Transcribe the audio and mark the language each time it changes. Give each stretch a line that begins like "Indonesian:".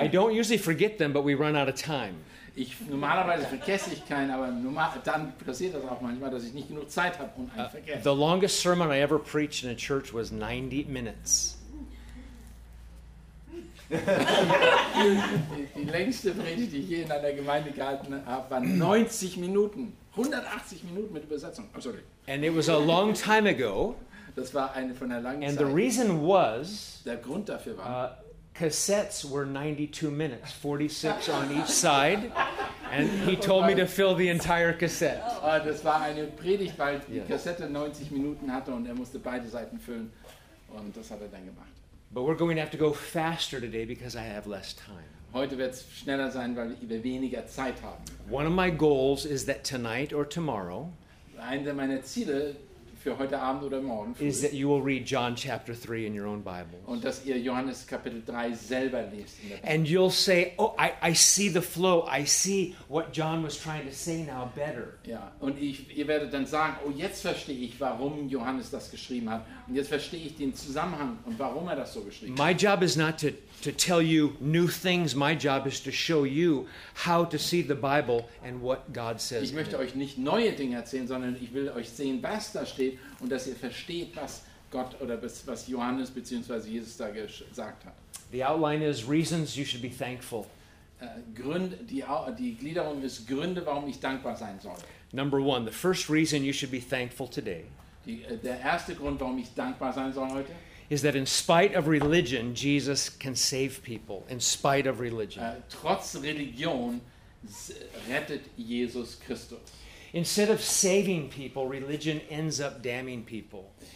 English: I don't usually forget them, but we run out of time.
German: Normalerweise vergesse ich keinen, aber dann passiert das auch manchmal, dass ich nicht genug Zeit habe und einen vergesse.
English: The longest sermon I ever preached in a church was 90 minutes.
German: Die längste Predigt, die ich je in einer Gemeinde gehalten habe, war 90 Minuten. 180 Minuten mit Übersetzung.
English: Oh, sorry. And it was a long time ago.
German: Das war eine von der langen Zeit.
English: the reason was,
German: der Grund dafür war,
English: cassettes were 92 minutes, 46 on each side. And he told me to fill the entire cassette.
German: Das war eine Predigt, weil die Kassette 90 Minuten hatte und er musste beide Seiten füllen. Und das hat er dann gemacht.
English: But we're going to have to go faster today because I have less time.
German: Heute wird's schneller sein, weil wir weniger Zeit haben.
English: One of my goals is that tonight or tomorrow,
German: eines meiner Ziele für heute Abend oder morgen früh,
English: is that you will read John chapter 3 in your own Bibles.
German: Und dass ihr Johannes Kapitel 3 selber liest.
English: And you'll say, oh, I see the flow. I see what John was trying to say now better.
German: Ja, und ihr werdet dann sagen, oh, jetzt verstehe ich, warum Johannes das geschrieben hat. Und jetzt verstehe ich den Zusammenhang und warum er das so geschrieben hat.
English: My job is not to tell you new things. My job is to show you how to see the Bible and what God says.
German: Ich möchte euch nicht neue Dinge erzählen, sondern ich will euch sehen, was da steht und dass ihr versteht, was Gott oder was Johannes bzw. Jesus da gesagt hat.
English: The outline is reasons you should be thankful.
German: Die Gliederung ist Gründe, warum ich dankbar sein soll.
English: Number one, the first reason you should be thankful today.
German: Der erste Grund, warum ich dankbar sein soll heute,
English: is that in spite of religion, Jesus can save people. In spite of religion.
German: Trotz Religion rettet Jesus Christus.
English: Instead of saving people, religion ends up damning people.